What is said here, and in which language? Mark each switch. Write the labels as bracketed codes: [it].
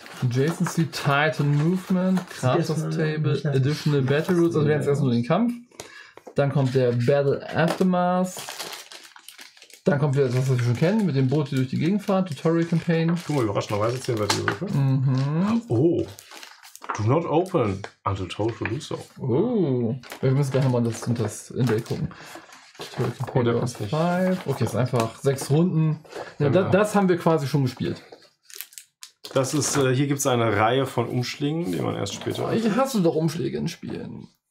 [en] Jason C. Titan Movement. Kratos Table. [de] Additional Battle Routes. Also, wir haben jetzt erstmal den Kampf. Dann kommt der Battle Aftermath. Dann kommt wieder das, was wir schon kennen, mit dem Boot, die durch die Gegend fahren, Tutorial Campaign. Guck mal, überraschenderweise zählen wir die Würfel. Mhm. Oh. [en] Do not open until told to do so. Oh. [de] Wir müssen gleich nochmal das in Day gucken. Tutorial Campaign. Oh, der passt nicht. Five. Okay, ist einfach 6 Runden. Ja, das haben wir quasi schon gespielt. Das ist, hier gibt es eine Reihe von Umschlägen, die man erst später. Ich hasse doch Umschläge in Spielen.